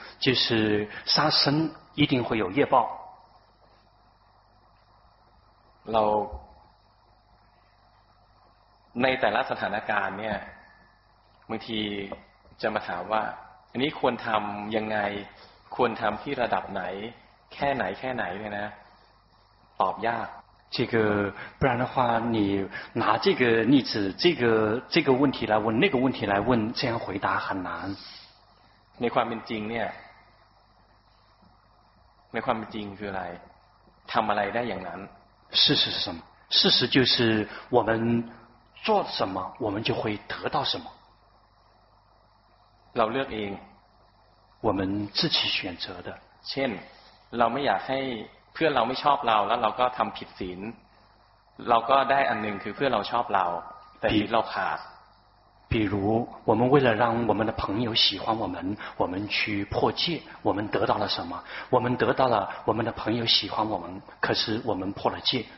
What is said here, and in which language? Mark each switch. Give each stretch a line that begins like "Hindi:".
Chinese: 就是杀生一定会有业报。
Thai: 老，ในแต่ละสถานการณ์เนี่ยบางทีจะมาถามว่าอันนี้ควรทำยังไงควรทำที่ระดับไหนแค่ไหนแค่ไหนเนี่ยนะตอบยาก
Chinese: 这个，不然的话，你拿这个例子，这个问题来问那个问题来问，这样回答很难。
Thai: ในความเป็นจริงเนี่ย，ในความเป็นจริงคืออะไร？ ทำอะไรได้อย่างนั้น？
Chinese: 事实是什么？事实就是我们做什么，我们就会得到什么。
Thai: เราเลือกเอง。
Chinese: 我们自己选择的。
Thai: เช่น，เราไม่อยากให้เพื่อนเราไม่ชอบเราแล้วเราก็ทำผิดศีลเราก็ได้อันหนึ่งคือเพื่อนเราชอบเราแต่ศีลเราขาด
Chinese: 比如我们为了让我们的朋友喜欢我们我们去破戒我们得到了什么我们得到了我们的朋友喜欢我们可是我们破了戒